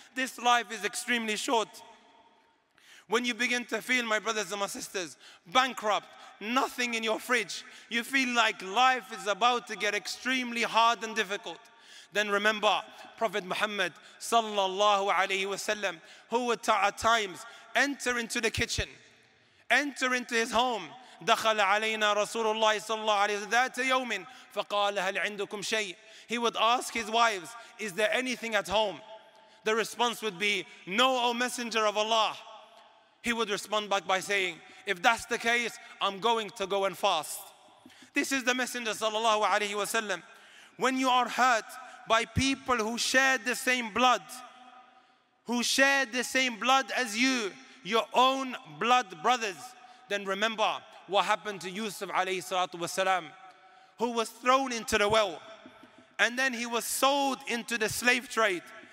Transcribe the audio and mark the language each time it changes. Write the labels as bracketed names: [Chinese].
[English] This life is extremely short. When you begin to feel, my brothers and my sisters, bankrupt, nothing in your fridge, you feel like life is about to get extremely hard and difficult, then remember Prophet Muhammad sallallahu alayhi wasallam, who would at times enter into the kitchen, enter into his home. [Arabic] دخل علينا رسول الله صلى الله عليه وسلم ذات يوم فقال هل عندكم شيء. [English] He would ask his wives, is there anything at home? The response would be, no, O Messenger of Allah. He would respond back by saying, if that's the case, I'm going to go and fast. This is the Messenger sallallahu alayhi wa sallam. When you are hurt by people who share the same blood, who share the same blood as you, your own blood brothers, then remember what happened to Yusuf alayhi salatu wa sallam, who was thrown into the well and then he was sold into the slave trade.